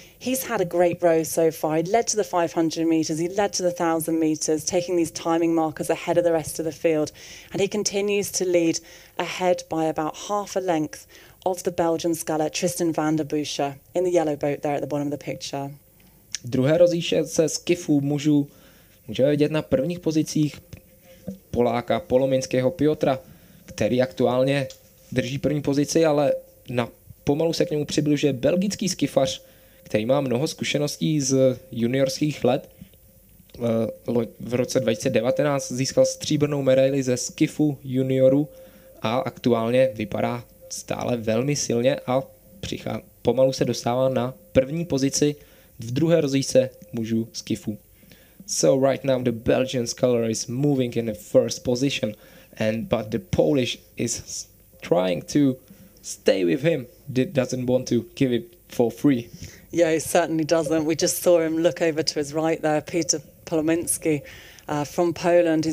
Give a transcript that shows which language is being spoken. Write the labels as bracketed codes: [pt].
[en] He's had a great row so far. He led to the 500 metres, he led to the 1,000 metres, taking these timing markers ahead of the rest of the field. And he continues to lead ahead by about half a length of the Belgian sculler Tristan van der Buscher in the yellow boat there at the bottom of the picture. [cs] Druhé rozíše se skifů mužů můžeme vidět na prvních pozicích Poláka Polominského Piotra, který aktuálně drží první pozici, ale na pomalu se k němu přibližuje belgický skifař, který má mnoho zkušeností z juniorských let. V roce 2019 získal stříbrnou medaili ze skifu juniorů a aktuálně vypadá stále velmi silně a pomalu se dostává na první pozici v druhé rozíce mužů skifu. [en] So right now the Belgian sculler is moving in the first position, but the Polish is trying to stay with him. Doesn't want to give it for free. Yeah, he certainly doesn't. We just saw him look over to his right there, Piotr Plominski from Poland.